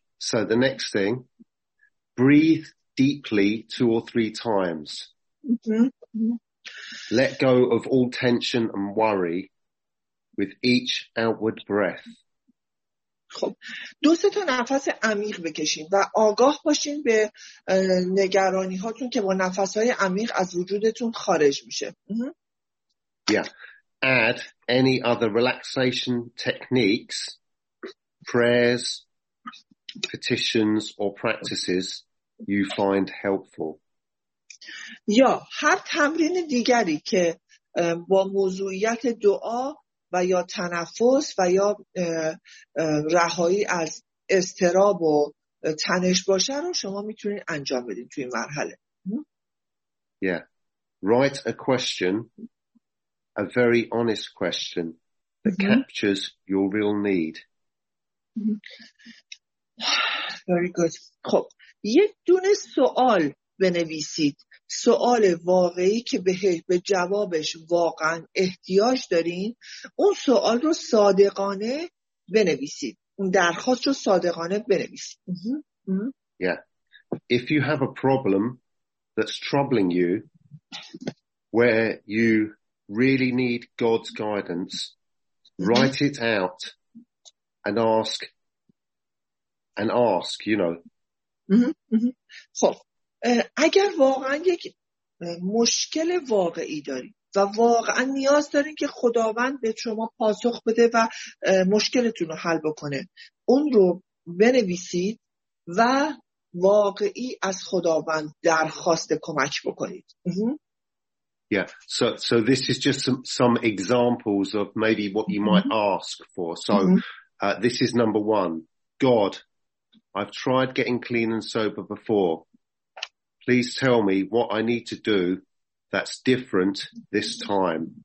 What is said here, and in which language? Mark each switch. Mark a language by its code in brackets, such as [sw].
[en] So the next thing, breathe deeply 2 or 3 times. Mm-hmm. Let go of all tension and worry with each outward breath. [fa] خب دو سه تا نفس عمیق بکشین و آگاه باشین به نگرانی هاتون که با نفس های عمیق از وجودتون خارج میشه. [en] Mm-hmm. Yeah. Add any other relaxation techniques, prayers, petitions or practices you find helpful. [fa] یا هر تمرین دیگری که با موضوعیت دعا و یا تنفس و یا رهایی از استراب و تنش باشه رو شما میتونید انجام بدید توی این مرحله. Yeah. [en] Write a question, a very honest question that captures your real need. Very good. [fa] خب یک دونه سوال بنویسید، سوال واقعی که به جوابش واقعا احتیاج دارین، اون سوال رو صادقانه بنویسید، اون درخواست رو صادقانه بنویسید. [en] Yeah. If you have a problem that's troubling you where you really need God's guidance, write it out and ask, you know. [fa] خب اگر واقعا یک مشکل واقعی دارید و واقعا نیاز دارید که خداوند به شما پاسخ بده و مشکلتون رو حل بکنه، اون رو بنویسید و واقعی از خداوند درخواست کمک بکنید. [en] Yeah, so this is just some examples of maybe what you might ask for. So this is number 1. God, I've tried getting clean and sober before. Please tell me what I need to do that's different this time.